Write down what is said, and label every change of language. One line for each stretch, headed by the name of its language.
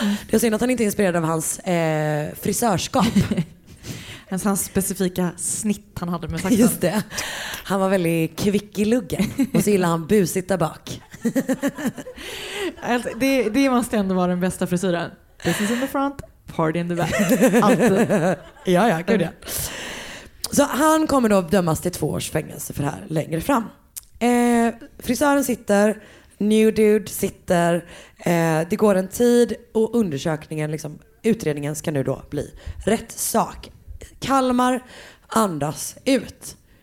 Swedish: Det är synd att han inte är inspirerad av hans frisörskap. En sån specifika snitt han hade med saxen. Just det. Han var väldigt kvick i luggen. Och så gillar han busigt där bak. Det måste ändå vara den bästa frisyren.
English: Business in the front, party in the back.
Swedish: Ja, gud ja. Så han kommer då dömas till 2 års fängelse för det här längre fram. Frisören sitter, new dude sitter, det går en tid och undersökningen, liksom, utredningen ska nu då bli rätt sak. Kalmar andas ut.